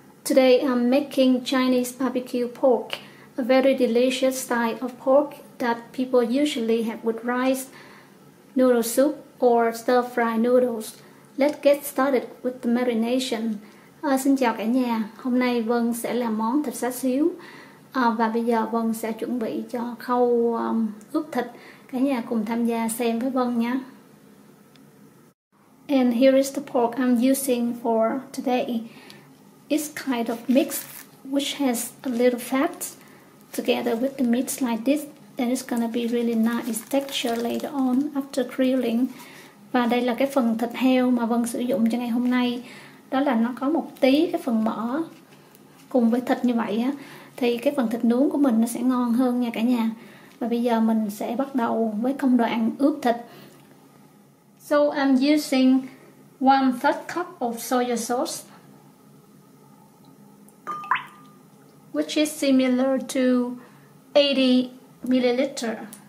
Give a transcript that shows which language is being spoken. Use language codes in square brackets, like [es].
[en] Today I'm making Chinese barbecue pork, a very delicious style of pork that people usually have with rice, noodle soup, or stir-fried noodles. Let's get started with the marination. [vi] Xin chào cả nhà. Hôm nay Vân sẽ làm món thịt xá xíu. Và bây giờ Vân sẽ chuẩn bị cho khâu ướp thịt. Cả nhà cùng tham gia xem với Vân nhé. [en] And here is the pork I'm using for today. It's kind of mixed, which has a little fat together with the meat like this, and it's gonna be really nice texture later on after grilling. [vi] Và đây là cái phần thịt heo mà Vân sử dụng cho ngày hôm nay. Đó là nó có một tí cái phần mỡ cùng với thịt như vậy á, thì cái phần thịt nướng của mình nó sẽ ngon hơn nha cả nhà. Và bây giờ mình sẽ bắt đầu với công đoạn ướp thịt. [en] So I'm using 1/3 cup of soy sauce, which is similar to 80 milliliters.